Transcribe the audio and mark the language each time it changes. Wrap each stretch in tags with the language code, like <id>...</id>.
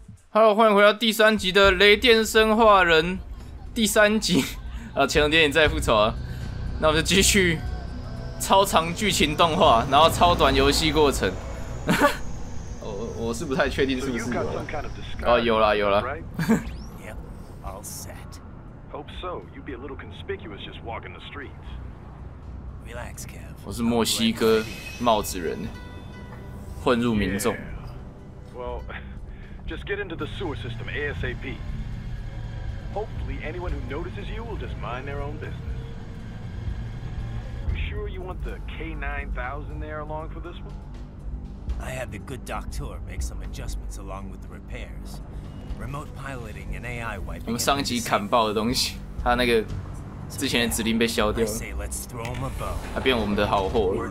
<zh>Hello， 欢迎回到第三集的雷电生化人第三集啊，潜龙谍影再复仇啊，那我们就继续超长剧情动画，然后超短游戏过程。我是不太确定是不是有啊，有啦有啦。</zh> <en>Yep, all set. Hope so. You'd be a little conspicuous just walking the streets. Relax, Kev.</en> <zh>我是墨西哥帽子人，混入民众。</zh> <en>Well. Just get into the sewer system ASAP. Hopefully, anyone who notices you will just mind their own business. You sure you want the K9000 there along for this one? I had the good doctor make some adjustments along with the repairs. Remote piloting and AI wiping.</en> <zh>我们上一集砍爆的东西，他那个之前的指令被消掉了，他变我们的好货了。</zh>